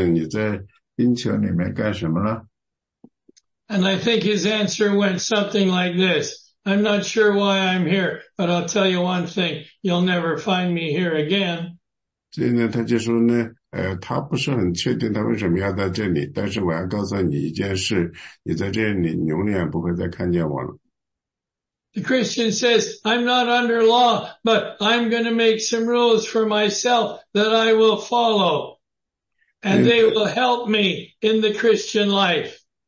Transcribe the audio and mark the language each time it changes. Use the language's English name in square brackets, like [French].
[Chinese] 所以呢,有些小孩子呢,看见他了,就是说,Biggs先生,你在冰球里面干什么了? [English] And I think his answer went something like this. I'm not sure why I'm here, but I'll tell you one thing. You'll never find me here again. [Chinese] 所以呢,他就说呢,他不是很确定他为什么要在这里,但是我要告诉你一件事,你在这里,你永远不会再看见我了。 [English] The Christian says, I'm not under law, but I'm going to make some rules for myself that I will follow. And they will help me in the Christian life.